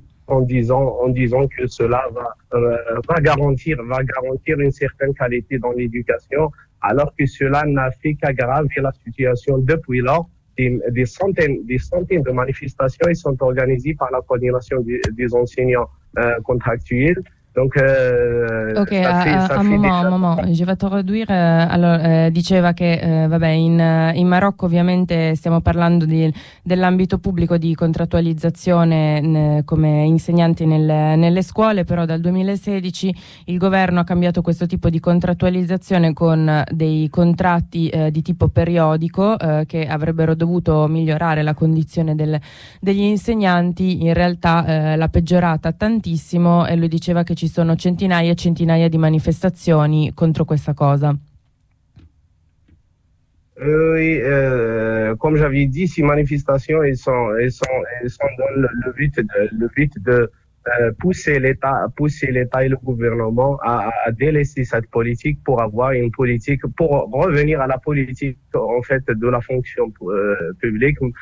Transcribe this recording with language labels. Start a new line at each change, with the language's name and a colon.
French: En disant que cela va garantir une certaine qualité dans l'éducation, alors que cela n'a fait qu'aggraver la situation. Depuis lors, des centaines de manifestations sont organisées par la coordination des enseignants contractuels. Donc, Ok, ça fait déjà. un moment, je vais te réduire.
Italian: Diceva che in Marocco ovviamente stiamo parlando dell'ambito pubblico di contrattualizzazione come insegnanti nelle scuole, però dal 2016 il governo ha cambiato questo tipo di contrattualizzazione con dei contratti di tipo periodico che avrebbero dovuto migliorare la condizione degli insegnanti. In realtà l'ha peggiorata tantissimo e lui diceva che ci sono centinaia e centinaia di manifestazioni contro questa cosa.
French: Oui, comme j'avais dit, ces manifestations, elles sont dans le but de pousser l'État et le gouvernement à délaisser cette politique pour avoir une politique, pour revenir à la politique, en fait, de la fonction publique.